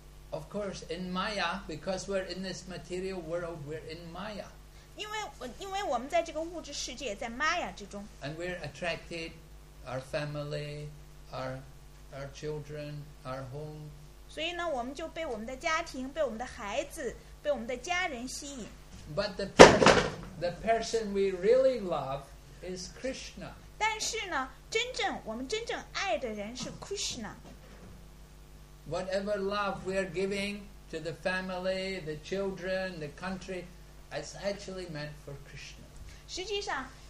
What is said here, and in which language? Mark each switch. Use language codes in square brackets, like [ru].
[en] Of course, in Maya, because we're in this material world, we're in Maya. [zh] 因为我们在这个物质世界， 在Maya之中。 [en] And we're attracted, our family, our children, our home. [zh] 所以呢，我们就被我们的家庭、被我们的孩子、被我们的家人吸引。 [en] But the person we really love is Krishna. [zh] 但是呢，真正我们真正爱的人是 Krishna. [en] Whatever love we are giving to the family, the children, the country, it's actually meant for Krishna.